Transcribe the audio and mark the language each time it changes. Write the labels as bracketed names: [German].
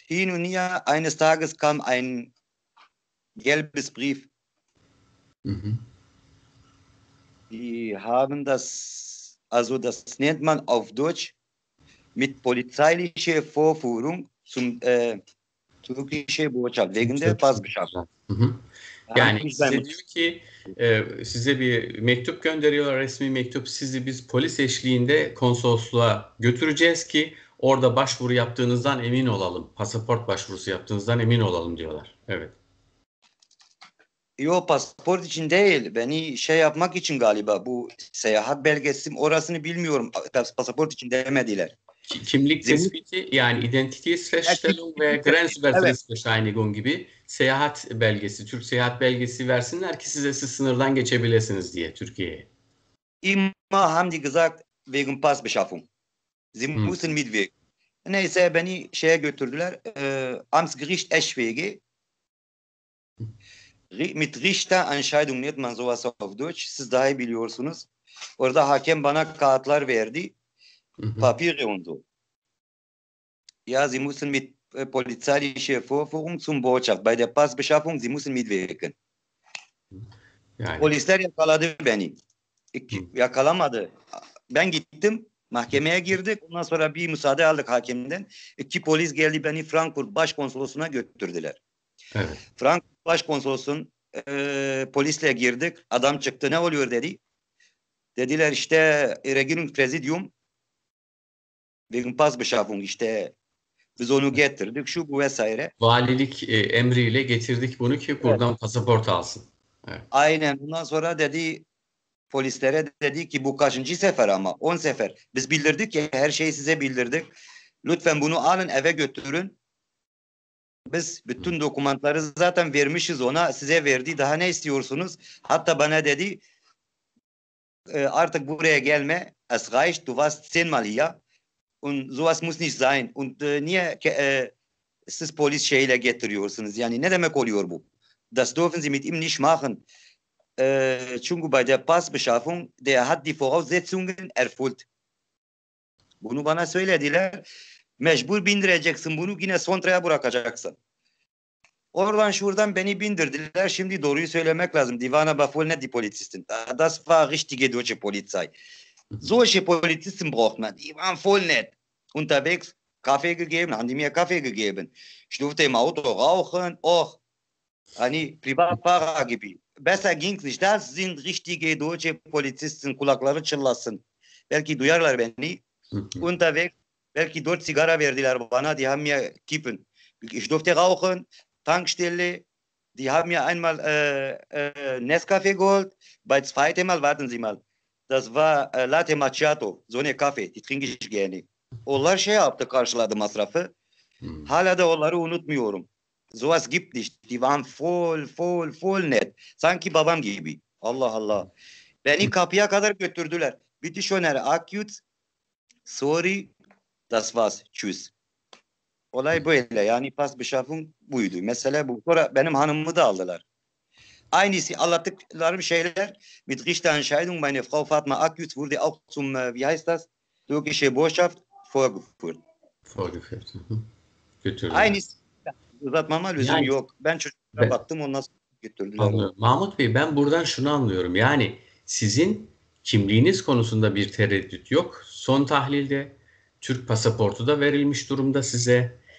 [German] Hin und her, eines Tages kam ein gelbes Brief. Die haben das, also das nennt man auf Deutsch, mit polizeilicher Vorführung zum türkische Botschaft wegen der Passbeschaffung. [Turkish] Yani size diyor ki size bir mektup gönderiyorlar, resmi mektup, sizi biz polis eşliğinde konsolosluğa götüreceğiz ki orada başvuru yaptığınızdan emin olalım, pasaport başvurusu yaptığınızdan emin olalım diyorlar. Evet. Yo, pasaport için değil, beni şey yapmak için galiba, bu seyahat belgesi, orasını bilmiyorum, pasaport için demediler. Kimlik tespiti, yani identity feststellung ve Grenzübertragungsbescheinigung gibi seyahat belgesi, Türk seyahat belgesi versinler ki size siz sınırdan geçebilirsiniz diye Türkiye'ye. [German] Immer haben die gesagt wegen Passbeschaffung. Sie müssen mitwirken. [Turkish] Neyse beni şeye götürdüler. [German] Amtsgericht Eschwege. Mit Richterentscheidung nennt man sowas auf Deutsch. [Turkish] Siz daha iyi biliyorsunuz. Orada hakem bana kağıtlar verdi. [German] Papiere und so. Ja, Sie müssen mit polizeiliche Vorführung zum Botschaft. Bei der Passbeschaffung, Sie müssen mitwirken. [Turkish] Yani. Polisler yakaladı beni. Yakalamadı. Ben gittim, mahkemeye girdik. Ondan sonra bir müsaade aldık hakemden. İki polis geldi, beni Frankfurt Başkonsolosluğu'na götürdüler. Evet. Frankfurt Başkonsolosluğu'na polisle girdik. Adam çıktı, ne oluyor dedi. Dediler işte Regierungspräsidium [German] wegen Passbeschaffung [Turkish] işte. Biz onu getirdik, şu bu vesaire. Valilik emriyle getirdik bunu ki buradan evet, pasaport alsın. Evet. Aynen. Ondan sonra dedi polislere, dedi ki bu kaçıncı sefer ama? 10 sefer. Biz bildirdik ya, her şeyi size bildirdik. Lütfen bunu alın, eve götürün. Biz bütün dokümanları zaten vermişiz ona. Size verdi. Daha ne istiyorsunuz? Hatta bana dedi artık buraya gelme. [German] Es reicht, du warst zehnmal hier. Und sowas muss nicht sein. [Turkish] Und niye siz polis şeyle getiriyorsunuz? Yani ne demek oluyor bu? [German] Das dürfen Sie mit ihm nicht machen. Çünkü bei der Passbeschaffung, der hat die Voraussetzungen erfüllt. [Turkish] Bunu bana söylediler. Mecbur bindireceksin bunu, yine Sontra'ya bırakacaksın. Oradan şuradan beni bindirdiler. Şimdi doğruyu söylemek lazım. Divana bafol ne di polizistin. [German] Das war richtige deutsche Polizei. Solche Polizisten braucht man. Die waren voll nett. Unterwegs Kaffee gegeben, haben die mir Kaffee gegeben. Ich durfte im Auto rauchen. Och, hani Privatfahrergebiet. Besser ging's nicht. Das sind richtige deutsche Polizisten. [Turkish] Kulakları çınlasın. Belki duyarlar beni. Unterwegs, belki dört sigara verdiler bana. [German] Die haben mir kippen. Ich durfte rauchen. Tankstelle. Die haben mir einmal Nescafé geholt. Bei zweite Mal, warten Sie mal. Das war Latte Macchiato. So ne Kaffee. Die trinke ich gerne. [Turkish] Onlar şey yaptı, karşıladı masrafı. Hala da onları unutmuyorum. So was gibt nicht. Die waren voll, voll, voll nett. Sanki babam gibi. Allah Allah. Beni kapıya kadar götürdüler. Bitti şöner. Akut. Sorry. [German] Das war's. Tschüss. [Turkish] Olay böyle. Yani pas beşafım buydu. Mesela bu. Sonra benim hanımımı da aldılar. Aynısı anlattıklarım şeyler. [German] Mit Richterentscheidung meine Frau Fatma Akgüz wurde auch zum, wie heißt das? Türkische Botschaft vorgeführt. Vorgeführt. götürdüler. [Turkish] Aynısı. Uzatmama lüzum yani, yok. Ben çocuklara baktım, onu nasıl götürdüler. Anlıyorum. Mahmut Bey, ben buradan şunu anlıyorum. Yani sizin kimliğiniz konusunda bir tereddüt yok. Son tahlilde Türk pasaportu da verilmiş durumda size.